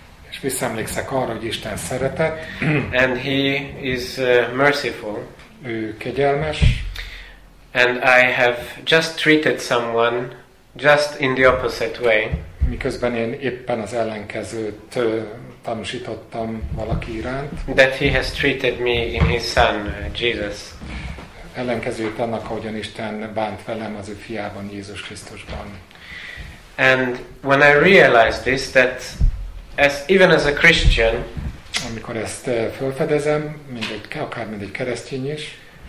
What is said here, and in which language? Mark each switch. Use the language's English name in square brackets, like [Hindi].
[Hungarian] És visszaemlékszek arra, hogy Isten szeretet. [English] And he is merciful. [Hungarian] Ő kegyelmes. [English] And I have just treated someone just in the opposite way. [Hungarian] Miközben én éppen az ellenkezőt tanúsítottam valaki iránt. [English] That he has treated me in his son, Jesus. [Hungarian] Ellenkezőt annak, ahogyan Isten bánt velem az ő fiában, Jézus Krisztusban. [English] And when I realized this, that as even as a Christian, [Hungarian] amikor ezt felfedezem, mint egy keresztény is,